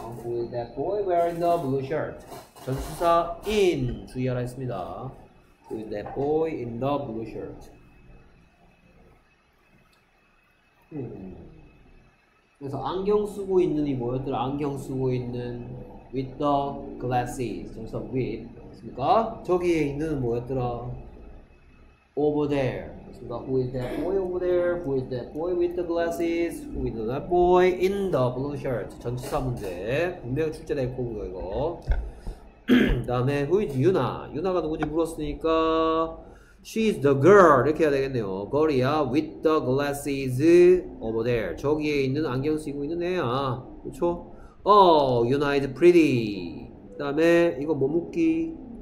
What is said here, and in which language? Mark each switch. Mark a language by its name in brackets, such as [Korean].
[English] Who is that boy wearing the blue shirt? [Korean] 전치사 in 주의하라 했습니다. [English] Who is that boy in the blue shirt? [Korean] 그래서 안경 쓰고 있는 이 뭐였더라? 안경 쓰고 있는 [English] with the glasses. [Korean] 전치사 with 했습니까? 저기에 있는 뭐였더라? [English] Over there. Who is that boy over there? Who is that boy with the glasses? Who is that boy in the blue shirt? [Korean] 전치사 문제 분명히 출제될 거고요 이거. 다음에 [English] Who is Yuna? [Korean] Yuna가 누구지 물었으니까 [English] She is the girl [Korean] 이렇게 해야 되겠네요. [English] Girl이야 with the glasses over there. [Korean] 저기에 있는 안경 쓰고 있는 애야. 그쵸? [English] Oh, Yuna is pretty. [Korean] 다음에 이거 뭐 묻기?